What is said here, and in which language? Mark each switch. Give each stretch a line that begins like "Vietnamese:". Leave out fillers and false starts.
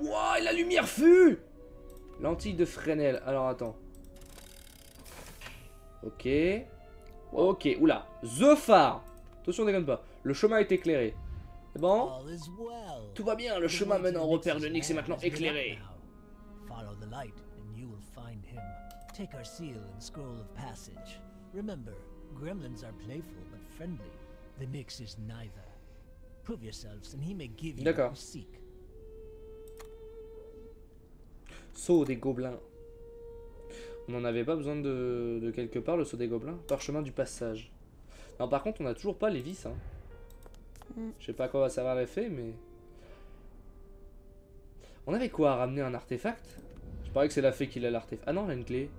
French: Wouah, la lumière fut! Lentille de Fresnel, alors attends. Ok. Ok, oula. The phare! Attention, on déconne pas. Le chemin est éclairé. C'est bon? Tout va bien, le chemin menant au repère de Nyx est maintenant éclairé.
English: Follow the light and you will find him. Take our seal and scroll of passage. Remember, gremlins are playful but friendly. The Nyx is neither. Prove yourselves and he may give you what you seek.
French: Saut des gobelins. On n'en avait pas besoin de quelque part, le saut des gobelins. Parchemin du passage. Non, par contre, on n'a toujours pas les vis. Hein. Je sais pas à quoi va servir l'effet, mais. On avait quoi à ramener un artefact? Je parais que c'est la fée qui a l'artefact. Ah non, elle a une clé.